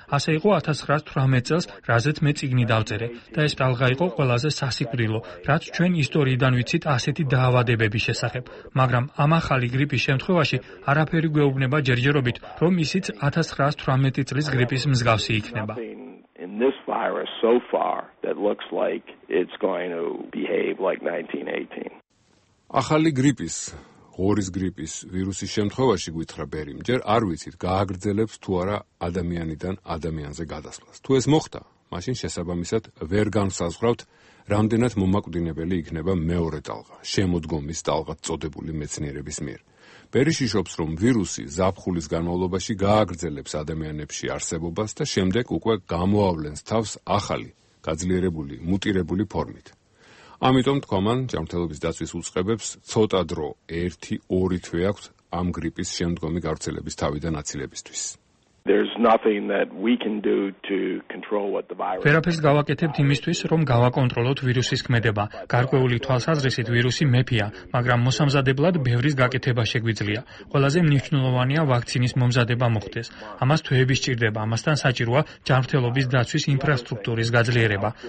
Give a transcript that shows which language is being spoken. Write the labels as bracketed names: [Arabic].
[Georgian] ასე იყო 1918 წელს, რაზეც მე წიგნი დავწერე, და ეს ტალღა იყო ყველაზე სასიკვდილო, რაც ჩვენ ისტორიიდან ვიცით ასეთი დაავადებების შესახებ. მაგრამ ამ ახალი გრიპის შემთხვევაში არაფერი გვეუბნება ჯერჯერობით, რომ ისიც 1918 წლის გრიპის მსგავსი იქნება. [English] In this virus so far that looks like it's going to behave like 1918. [Georgian] ახალი გრიპის, ღორის გრიპის ვირუსის შემთხვევაში გვითხრა ბერიმ, ჯერ არ ვიცით, გააგრძელებს თუ არა ადამიანიდან ადამიანზე გადასვლას. თუ ეს მოხდა, მაშინ შესაბამისად ვერ განსაზღვრავთ, რამდენად მომაკვდინებელი იქნება მეორე ტალღა, შემოდგომის ტალღა წოდებული მეცნიერების მიერ. ბერი შიშობს, რომ ვირუსი ზაფხულის განმავლობაში გააგრძელებს ადამიანებში არსებობას და შემდეგ უკვე გამოავლენს თავს ახალი, გაძლიერებული, მუტირებული ფორმით. ამიტომ თქვა მან ჯანმრთელობის დაცვის უწყებებს, ცოტა დრო, 1-2 თვე აქვთ ამ გრიპის შემდგომი გავრცელების თავიდან აცილებისთვის. [English] There's nothing that we can do to control what the virus. [Georgian] ფერაფერს გავაკეთებთ იმისთვის, რომ გავაკონტროლოთ ვირუსის ქმედება. გარკვეული თვალსაზრისით ვირუსი მეფია, მაგრამ მოსამზადებლად ბევრის გაკეთება შეგვიძლია. ყველაზე მნიშვნელოვანია ვაქცინის მომზადება მოხდეს. ამას თვეები სჭირდება, ამასთან საჭიროა ჯანმრთელობის დაცვის ინფრასტრუქტურის გაძლიერება.